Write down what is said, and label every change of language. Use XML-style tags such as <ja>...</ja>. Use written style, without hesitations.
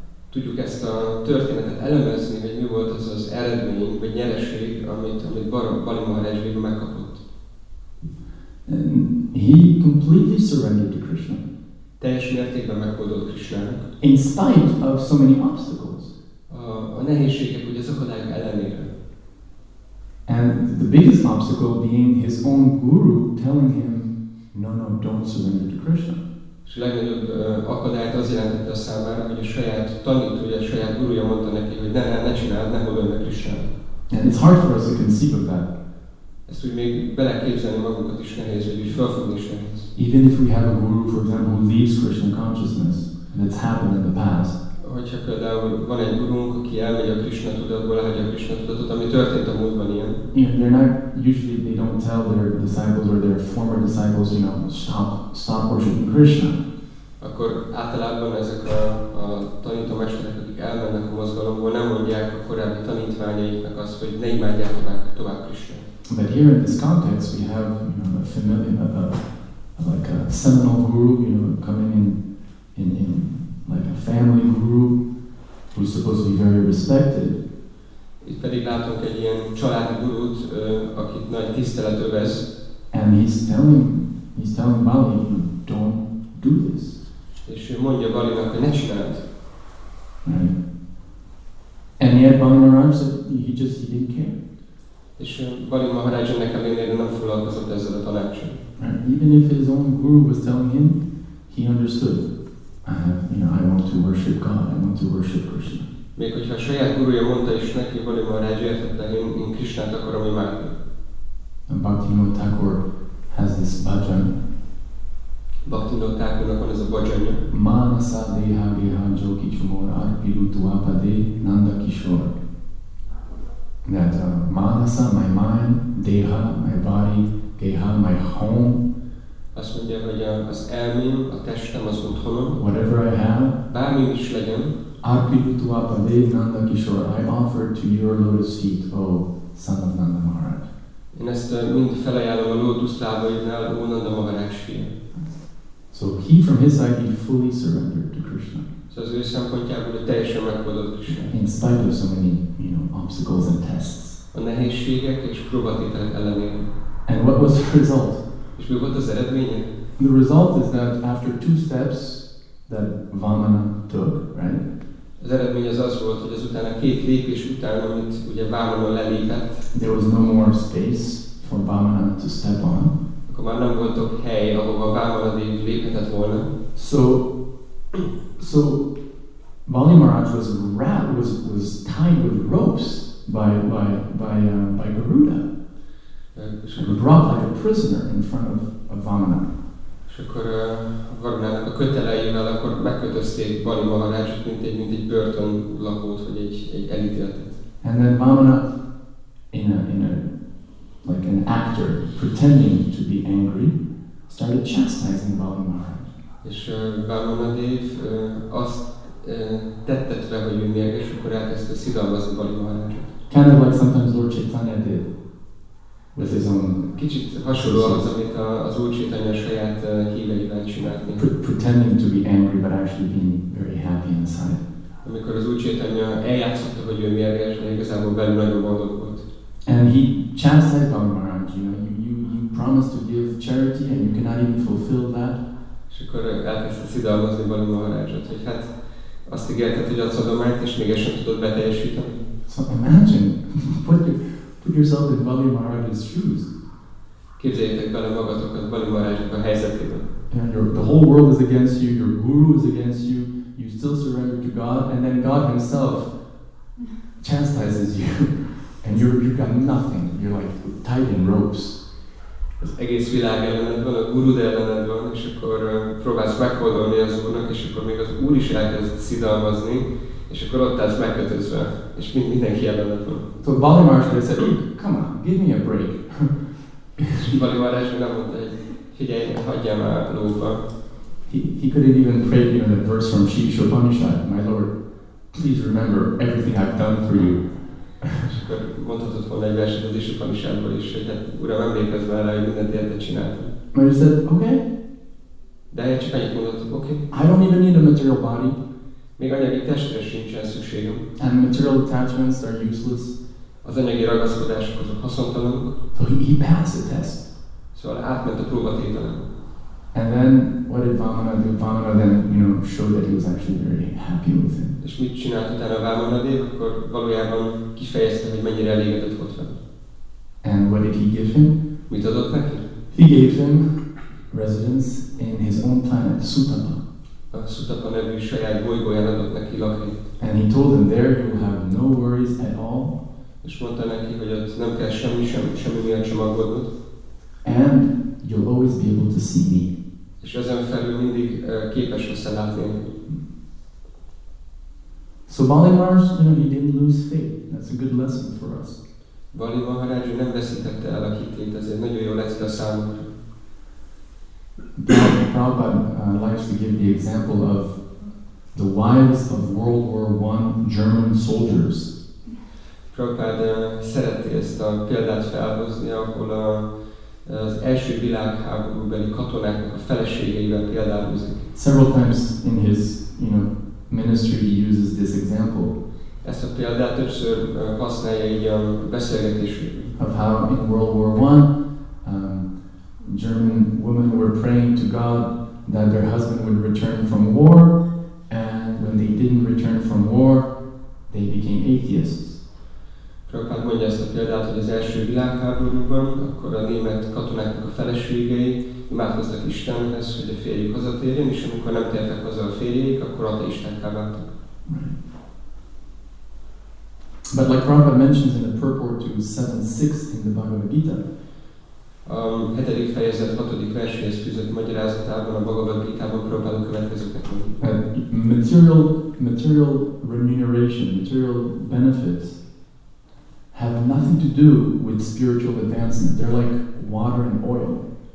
<hu>Tudjuk ezt a történetet elemezni, hogy mi volt az az eredmény, vagy nyereség, amit Bali Maharaj végül megkapott.</hu> <en>And he completely surrendered to Krishna.</en> <hu>Teljes mértékben meghódolt Krishnának.</hu> <en>In spite of so many obstacles.</en> <hu>A nehézségek, ugye, az akadályok ellenére.</hu> <en>And the biggest obstacle being his own guru telling him, no, no, don't surrender to Krishna.</en> <hu>És a legnagyobb akadályt az jelentette a számára, hogy a saját tanítója, a saját gurúja mondta neki, hogy ne csináld, ne hódolj meg Krishnának.</hu> <en>And it's hard for us to conceive of that.</en> <hu>Ezt úgy még beleképzelni magunkat is nehéz, hogy úgy felfogni is nehéz.</hu> <en>Even if we have a guru, for example, who leaves Krishna consciousness, and it's happened in the past.</en> <hu>Hogyha például van egy gurunk, aki elmegy a Krishna tudatból, lehagy a Krishna tudatot, ami történt a múltban ilyen.</hu> <en>Yeah, they're not, usually they don't tell their disciples or their former disciples, you know, stop worshiping Krishna.</en> <hu>Akkor általában ezek a tanító mesterek, akik elmennek a mozgalomból, nem mondják a korábbi tanítványaiknak azt, hogy ne imádják tovább Krishna.</hu> <en>But here in this context, we have, you know, a familiar, like a seminal guru, you know, coming in like a family guru, who's supposed to be very respected.</en> <hu>Itt pedig látunk egy ilyen családi gurút, akit nagy tisztelet övez.</hu> <en>And he's telling Bali, you know, don't do this.</en> <hu>És ő mondja Balinak, hogy ne csináld.</hu> <en>And yet Bali Maharaj said, he didn't care.</en> <hu>És Bali Maharaj ennek ellenére nem foglalkozott ezzel a tanácsra.</hu> <en>Even if his own guru was telling him, he understood. I want to worship God, I want to worship Krishna.</en> <hu>Még hogyha a saját gurúja mondta is neki, Bali Maharaj értette, én Krishnát akarom imádni.</hu> <en>And Bhaktivinoda Thakur has this bhajan.</en> <hu>Bhaktivinoda Thakurnak van ez a bhajanja.</hu> <bn>Manasa deha viha joki chumor arpiru tuapade nanda kishore.</bn> <en>That manasa, my mind, deha, my body, geha, my home.</en> <hu>Azt mondja, hogy az elmém, a testem, az otthonom.</hu> <en>Whatever I have.</en> <hu>Bármi is legyen.</hu> <bn>Arpirutva pade nanda kishore.</bn> <en>I offer to your lotus feet, O son of Nanda Maharaj.</en> <hu>Én ezt mind felajánlom a lotus lábaidnál, O Nanda Maharaj fia.</hu> <en>So he, from his side, he fully surrendered to Krishna.</en> <hu>Szóval az ő szempontjából teljesen megoldott Krishna.</hu> <en>In spite of so many, you know, obstacles and tests.</en> <hu>A nehézségek és próbatételek ellenére.</hu> <en>And what was the result?</en> <hu>És mi volt az eredménye?</hu> <en>The result is that after two steps that Vamana took, right?</en> <hu>Az eredmény az az volt, hogy azután a két lépés után, amit ugye Vamana lelépett.</hu> <en>There was no more space for Vamana to step on.</en> <hu>Akkor már nem volt ott hely, ahova Vamana léphetett volna.</hu> <en>So Bali Maharaj was tied with ropes by Garuda. He brought like a prisoner in front of Vamana.</en> <hu>És akkor Varunának a köteleivel akkor megkötözték Bali Maharajot, mint egy börtön lakót, vagy egy elítéltet.</hu> <en>And then Vamana, in a pretending to be angry, started chastising Balaram Maharaj.</en> <hu>És Balaramadev azt tettetve, hogy ő mérges, akkor elkezdte szidalmazni Balaram Maharajot.</hu> <en>Kind of like sometimes Lord Chaitanya did with his own...</en> <hu>Kicsit hasonló az, amit az Úr Chaitanya saját híveivel csinált.</hu> <en>Pretending to be angry, but actually being very happy inside.</en> <hu>Amikor az Úr Chaitanya eljátszotta, hogy ő mérges, de igazából belül nagyon boldog volt.</hu> <en>And he chastised Balaram Maharaj, you know, you promised to give charity and you cannot even fulfill that.</en> <hu>És akkor elkezdte szidalmazni Balaram Maharajot, hogy hát azt ígérted, hogy adsz adományt, és még ezt sem tudod beteljesíteni.</hu> <en>So imagine, put yourself in Balaram Maharaj's shoes.</en> <hu>Képzeljétek bele magatokat Balaram Maharajnak a helyzetében.</hu> <en>The whole world is against you, your guru is against you, you still surrender to God, and then God himself chastises you. And you've got nothing. You're like tied in ropes.</en> <hu>Az egész világ ellened van, a gurud ellened van, és akkor próbálsz megfordulni az Úrnak, és akkor még az Úr is elkezd szidalmazni, és akkor ott állsz megkötözve, és mindenki ellened van.</hu> <en>So Balaram Maharaj said, come on, give me a break.</en> <hu>És Balaram Maharaj nem mondta, hogy figyelj, hagyjál már lóba.</hu> <en>He couldn't even pray even a verse from Shish Upanishad. My Lord, please remember everything I've done for you.</en> <hu>És akkor mondhatod volna egy verset az Isupanishadból is, hogy hát Uram, emlékezz már rá, hogy mindent érte csináltam. Mert ő</hu> <en>said, okay.</en> <hu>De én csak annyit mondhatod, okay.</hu> <en>I don't even need a material body.</en> <hu>Még anyagi testre sincsen szükségem.</hu> <en>And material attachments are useless.</en> <hu>Az anyagi ragaszkodások azok haszontalanok.</hu> <en>So he passed the test.</en> <hu>Szóval átment a próbatételen.</hu> <en>And then what did Vamana do? Vamana then, you know, showed that he was actually very happy with him.</en> <hu>És mit csinált utána Vámanadév? Akkor valójában kifejezte, hogy mennyire elégedett volt vele.</hu> <en>And what did he give him?</en> <hu>Mit adott neki?</hu> <en>He gave him residence in his own planet, Sutapa.</en> <hu>A Sutapa nevű saját bolygóján adott neki lakhelyet.</hu> <en>And he told him there you will have no worries at all.</en> <hu>És mondta neki, hogy ott nem kell semmi miatt sem aggódnod.</hu> <en>And you'll always be able to see me.</en> <hu>És ezen felül mindig képes lesz látni.</hu> <en>So Balaram Maharaj, you know, he didn't lose faith. That's a good lesson for us.</en> <hu>Balaram Maharaj nem veszítette el a hitét, ez egy nagyon jó lecke a számunkra.</hu> <en>Prabhupada likes to give the example of the wives of World War I German soldiers.</en> <hu>Prabhupada szereti ezt a példát felhozni, ahol az első világháborúbeli katonáknak a feleségeivel példáulzik.</hu> <en>Several times in his, you know, ministry he uses this example.</en> <hu>Ezt a példát többször használja így a beszélgetésében.</hu> <en>Of how in World War I, German women were praying to God that their husband would return from war, and when they didn't return from war, they became atheists.</en> <hu>Prabhupád mondja ezt a példát, hogy az első világháborúban, akkor a német katonáknak a feleségei imádkoztak Istenhez, hogy a férjük hazatérjen, és amikor nem tértek haza a férjék, akkor ateistákká váltak.</hu> <en>Right. But like Prabhupád mentions in the purport to 7.6 in the Bhagavad Gita,</en> <hu>a hetedik fejezet, hatodik verséhez fűzött magyarázatában a Bhagavad Gita-ban Prabhupád a következőket mondja.</hu> <en>Material remuneration, material benefits, have nothing to do with spiritual advancement. They're like water and oil.</en>